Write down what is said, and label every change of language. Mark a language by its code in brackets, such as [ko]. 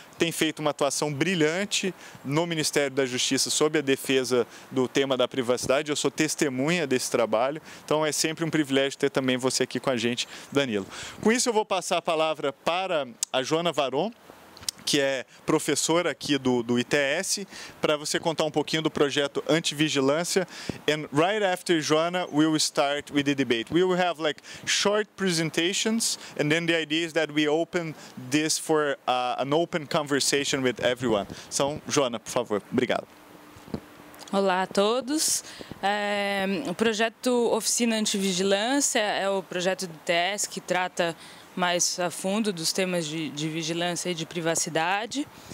[pt] Tem feito uma atuação brilhante no Ministério da Justiça sob a defesa do tema da privacidade. verdade, eu sou testemunha desse trabalho, então é sempre um privilégio ter também você aqui com a gente, Danilo. Com isso, eu vou passar a palavra para a Joana Varon, que é professora aqui do ITS, para você contar um pouquinho do projeto Antivigilância. [en] And right after Joana, we'll start with the debate. We will have like short presentations, and then the idea is that we open this for an open conversation with everyone. [pt] Então, Joana, por favor, obrigado. Olá a todos. O projeto Oficina Antivigilância é o projeto do ITS que trata mais a fundo dos temas de vigilância e de privacidade.